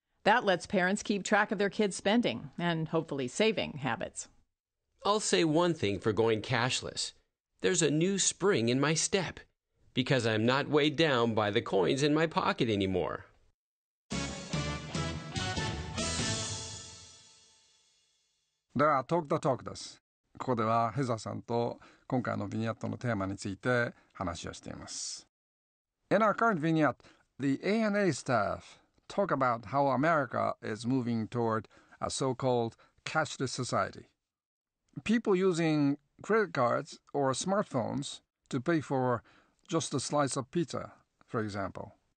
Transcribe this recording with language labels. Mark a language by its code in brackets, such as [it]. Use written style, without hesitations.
[en] That lets parents keep track of their kids' spending and hopefully saving habits. I'll say one thing for going cashless. There's a new spring in my step because I'm not weighed down by the coins in my pocket anymore. [ja] では、トークザトークです。ここではヘザーさんと今回のビニャットのテーマについて話をしています。 [en] In our current vignette, the A&A staff talk about how America is moving toward a so-called cashless society. People using credit cards or smartphones to pay for just a slice of pizza, for example.